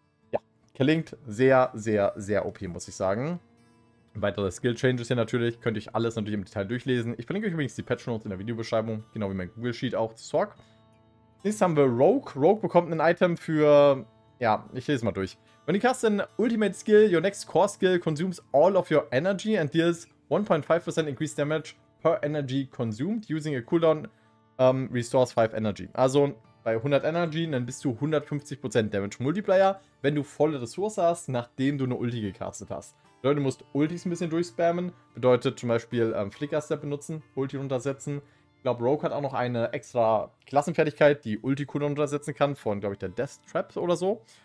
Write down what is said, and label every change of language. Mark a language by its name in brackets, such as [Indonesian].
[German] Ja, klingt sehr, sehr, sehr OP, muss ich sagen. Weitere Skill Changes hier natürlich, könnt ihr euch alles natürlich im Detail durchlesen. Ich verlinke euch übrigens die Patch Notes in der Videobeschreibung, genau wie mein Google Sheet auch zu Sorg. Nächstes haben wir Rogue. Rogue bekommt ein Item für, ja, ich lese mal durch. [English] When you cast an Ultimate Skill, your next Core Skill consumes all of your energy and deals 1.5% increased damage per energy consumed using a cooldown restores 5 energy. [German] Also bei 100 energy dann bist du 150% Damage Multiplier, wenn du volle Ressource hast, nachdem du eine Ulti gecastet hast. Bedeutet, du musst Ultis ein bisschen durchspammen, bedeutet zum Beispiel Flicker Step benutzen, Ulti runtersetzen, glaube, Rogue hat auch noch eine extra Klassenfertigkeit, die Ulti-Cooldown untersetzen kann, von, glaube ich, der Death Trap oder so.